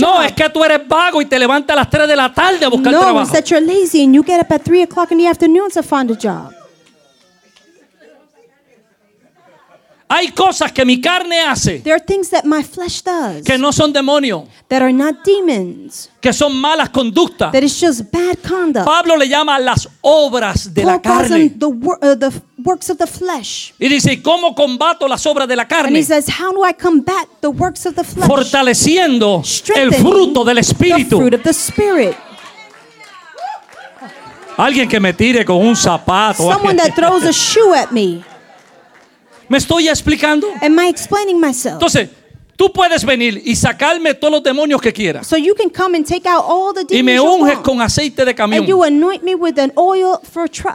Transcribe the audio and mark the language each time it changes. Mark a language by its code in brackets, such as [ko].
[es] No, es que tú eres vago y te levantas a las 3 de la tarde a buscar no, trabajo. [en] No, it's that you're lazy and you get up at 3 o'clock in the afternoon to find a job. [es] Hay cosas que mi carne hace. [en] There are things that my flesh does. [es] Que no son demonios. [en] That are not demons. [es] Que son malas conductas. [en] That is just bad conduct. [es] Pablo le llama las obras de [en] Paul [es] la carne. [en] The works of the flesh. [es] Y dice, ¿cómo combato las obras de la carne? [en] And he says, how do I combat the works of the flesh? [es] Fortaleciendo el fruto del espíritu. [en] The fruit of the spirit. [es] Alguien que me tire con un zapato. [en] Someone that throws a shoe at me. [es] ¿Me estoy explicando? [en] Am I explaining myself? [es] Entonces, tú puedes venir y sacarme todos los demonios que quieras. [en] So you can come and take out all the demons [es] y me unges con aceite de camión. [en] And you anoint me with an oil for trucks.